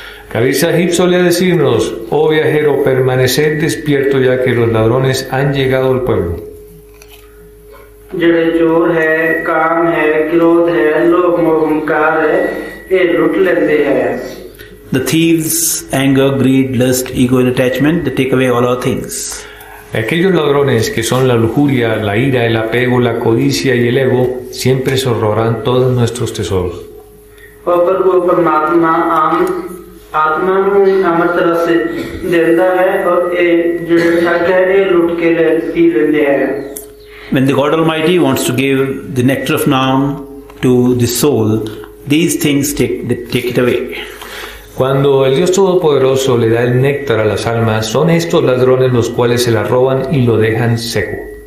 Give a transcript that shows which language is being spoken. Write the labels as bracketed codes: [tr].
[es] Kabir Sahib solía decirnos, oh viajero, permanecer despierto ya que los ladrones han llegado al pueblo. [pa] ਜਿਹੜੇ ਚੋਰ ਹੈ ਕਾਮ ਹੈ ਕ੍ਰੋਧ ਹੈ ਲੋਭ ਮੋਹ ਹੰਕਾਰ ਹੈ ਇਹ ਲੁੱਟ ਲੈਂਦੇ ਹੈ [en] The thieves anger greed lust ego and attachment they take away all our things [es] Aquellos ladrones que son la lujuria la ira el apego la codicia y el ego siempre se robarán todos nuestros tesoros [pa] ਪਰ ਉਹ ਪਰਮਾਤਮਾ ਆਤਮਾ ਨੂੰ ਅਮਰ ਤਰਸ ਦਿੰਦਾ ਹੈ ਔਰ ਇਹ ਜਿਹੜੇ ਠੱਗ ਹੈ ਇਹ ਲੁੱਟ ਕੇ ਲੈ ਲੈਂਦੇ ਹੈ [en] When the God Almighty wants to give the nectar of Naam to the soul, these things take it away. [es] Cuando el Dios Todopoderoso le da el néctar a las almas, son estos ladrones los cuales se la roban y lo dejan seco.